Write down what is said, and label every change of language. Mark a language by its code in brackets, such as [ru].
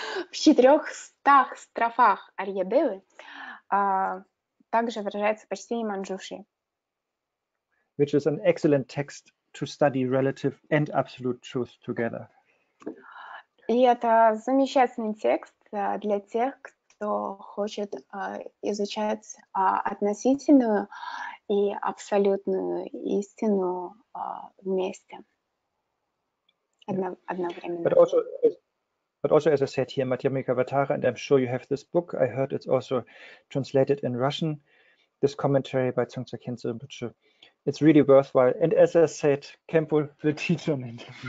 [ru] в 400 строфах Арьядевы также выражается почтение Манджуши. [en] Which is an excellent text to study relative and absolute truth together. [ru] И это замечательный текст для тех, кто хочет изучать относительную и абсолютную истину вместе, одновременно. [en] But also, as I said here, Madhyamika Avatara, and I'm sure you have this book. I heard it's also translated in Russian, this commentary by Tsongtsa Khyentse Rinpoche. It's really worthwhile. And as I said, Kempo will teach on it.